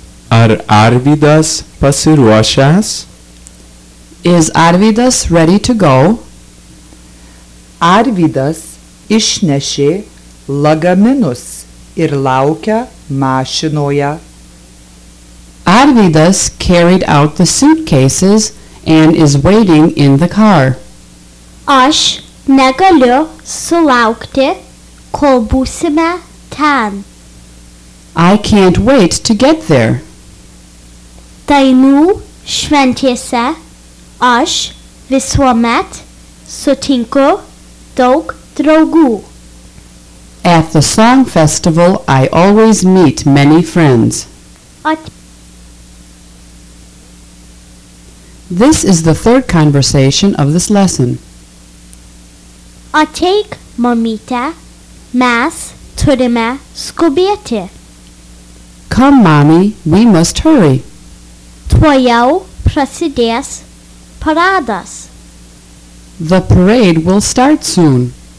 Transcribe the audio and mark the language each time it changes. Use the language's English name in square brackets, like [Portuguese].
[Lithuanian] Ar Arvydas pasiruošęs? [English] Is Arvydas ready to go? [Lithuanian] Arvydas išnešė lagaminus ir laukia mašinoje. [English] Arvydas carried out the suitcases and is waiting in the car. [Lithuanian] Aš negaliu sulaukti, kol būsime ten. [English] I can't wait to get there. [Lithuanian] Dainų šventėse aš visuomet sutinku daug draugų. [English] At the song festival, I always meet many friends. This is the third conversation of this lesson. [Lithuanian] Ateik, mamyte, mes turime skubėti. [English] Come, mommy, we must hurry. [Lithuanian] Tuojau prasidės paradas. [English] The parade will start soon.